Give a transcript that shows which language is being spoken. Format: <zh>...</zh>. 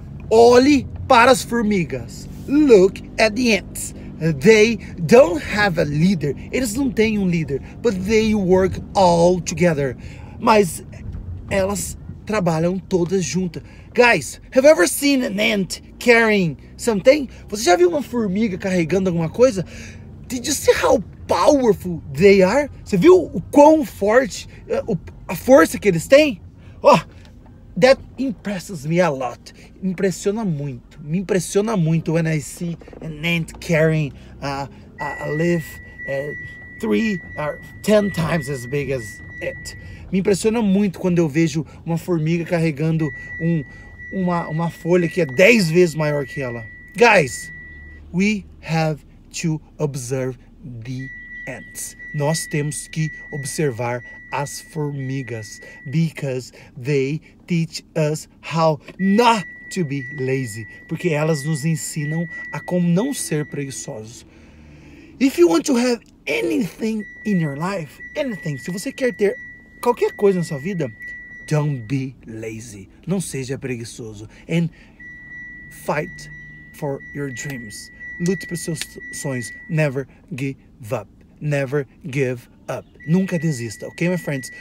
<pt>Olhe para as formigas.</pt> <en>Look at the ants. They don't have a leader.</en> <pt>Eles não têm um líder.</pt> <en>But they work all together.</en> <pt>Mas elas trabalham todas juntas.</pt> <en>Guys, have you ever seen an ant carrying something?</en> <pt>Você já viu uma formiga carregando alguma coisa?</pt> <en>Did you see how powerful they are?</en> <pt>Você viu o quão forte, a força que eles têm?</pt> <en>Oh, that impresses me a lot.</en> <pt>Impressiona muito. Me impressiona muito</pt> <en>when I see an ant carrying a leaf 3 or 10 times as big as it.</en> <pt>Me impressiona muito quando eu vejo uma formiga carregando uma folha que é 10 vezes maior que ela.</pt> <en>Guys, we have to observe the ants.</en> <pt>Nós temos que observar as formigas</pt> <en>because they teach us how not to be lazy,</en> <pt>porque elas nos ensinam a como não ser preguiçosos.</pt> <en>If you want to have anything in your life, anything,</en> <pt>se você quer ter qualquer coisa na sua vida,</pt> <en>don't be lazy,</en> <pt>não seja preguiçoso,</pt> <en>and fight for your dreams,</en> <pt>lute para seus sonhos,</pt> <en>never give up, never give up,</en> <pt>nunca desista,</pt> <en>ok, my friends?</en>